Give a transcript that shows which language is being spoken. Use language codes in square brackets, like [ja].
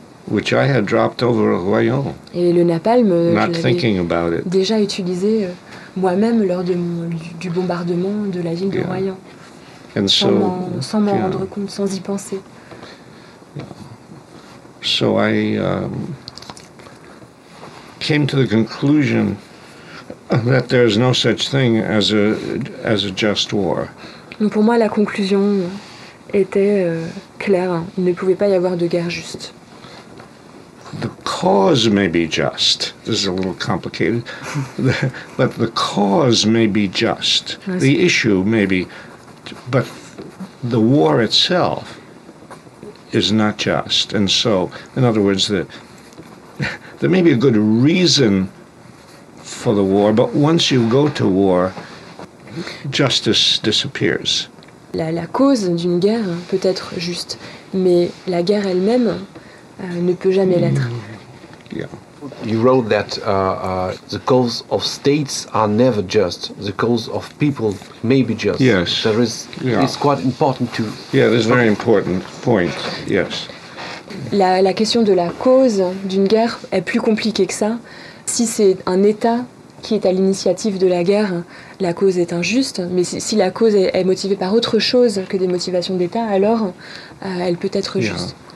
[en] Which I had dropped over a Royaume. [fr] Et le napalm, [en] not thinking about it. [fr] Déjà utilisé moi-même lors du bombardement de la ville de Royan. [en] And so, [fr] sans m'en rendre compte, sans y penser. [en] So I came to the conclusion that there is no such thing as a just war. [fr] Donc pour moi, la conclusion était claire. Il ne pouvait pas y avoir de guerre juste. [en] The cause may be just. This is a little complicated. But the cause may be just. [fr] Merci. [en] The issue may be, but the war itself is not just. And so, in other words, there may be a good reason for the war, but once you go to war, justice disappears. [fr] La cause d'une guerre peut être juste, mais la guerre elle-même ne peut jamais l'être. [en] Yeah. You wrote that the cause of states are never just. The cause of people may be just. Yes. There is. Yeah. It's quite important to. Yeah, this is a very important point. Yes. [fr] La question de la cause d'une guerre est plus compliquée que ça. Si c'est un État qui est à l'initiative de la guerre, la cause est injuste. Mais si la cause est motivée par autre chose que des motivations d'État, alors elle peut être juste.